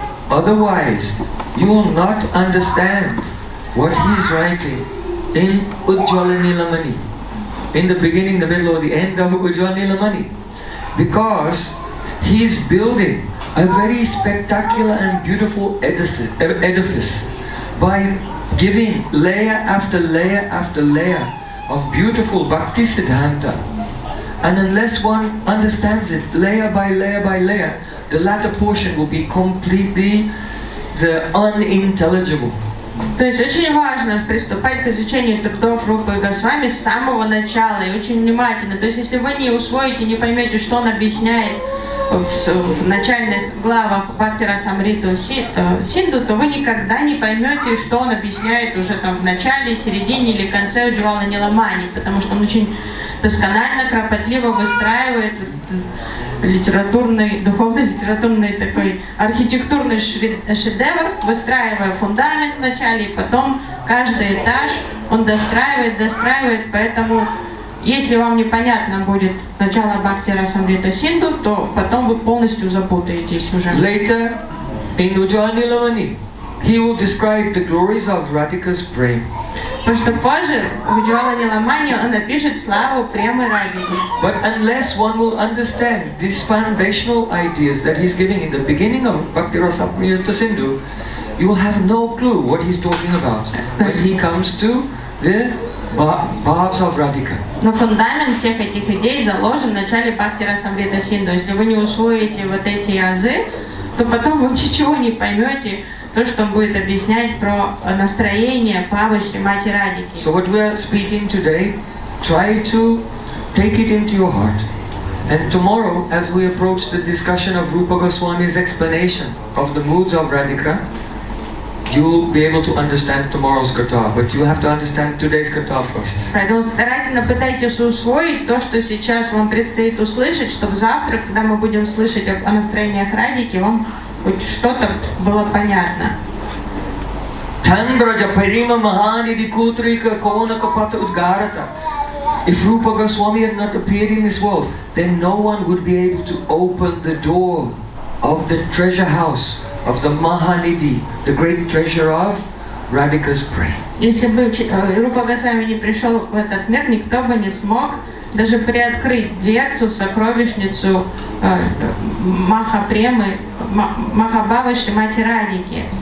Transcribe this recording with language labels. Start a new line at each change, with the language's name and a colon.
English: Otherwise, you will not understand what he is writing in Ujjvala Nilamani, in the beginning, the middle, or the end of Ujjvala Nilamani, because he is building a very spectacular and beautiful edifice by giving layer after layer after layer of beautiful Bhakti Siddhanta. And unless one understands it layer by layer by layer, the latter portion will be completely the unintelligible.
Russian: То есть очень важно приступать к изучению трудов Рупы Госвами с самого начала и очень внимательно. То есть если вы не усвоите, не поймете, что он объясняет в начальных главах Бхакти Расамриты Синду, то вы никогда не поймете, что он объясняет уже там в начале, середине или конце Ujjvala Nilamani, потому что он очень досконально, кропотливо выстраивает литературный, духовно-литературный такой архитектурный шедевр, выстраивая фундамент в начале, и потом каждый этаж он достраивает, достраивает, поэтому если вам непонятно будет начало Бхакти Расамрита Синду, то потом вы полностью запутаетесь уже.
English: Later, in Ujjvala Nilamani, he will describe the glories of Radhika's prema.
Russian: Потому что позже в Ujjvala Nilamani он напишет славу премы Радхики.
English: But unless one will understand these foundational ideas that he's giving in the beginning of Bhakti Rasamrita Sindhu, you will have no clue what he's talking about when he comes to the Bhavs of Radhika.
Russian: Но фундамент всех этих идей заложен в начале Бхакти Расамрита Синду. Если вы не усвоите вот эти азы, то потом вы ничего не поймете, то, что он будет объяснять про настроение Бхавы Шримати Радхики.
English: So what we are speaking today, try to take it into your heart. And tomorrow, as we approach the discussion of Rupa Goswami's explanation of the moods of Radhika, you will be able to understand tomorrow's katha, but you have to understand today's katha first.
Russian: Поэтому старательно пытайтесь усвоить то, что сейчас вам предстоит услышать, чтобы завтра, когда мы будем слышать о настроениях Радхики, вам хоть что-то было понятно.
Sanskrit: Танбража парима маханиди кутрика конака пата удгарата.
English: If Rupa Goswami had not appeared in this world, then no one would be able to open the door of the treasure house of the Mahanidhi, the great treasure of Radhika's prema.
Russian: Если бы Рупа Госвами не пришел в этот мир, никто бы не смог даже приоткрыть дверцу в сокровищницу Махапремы, Махабавы Шримати Радхики.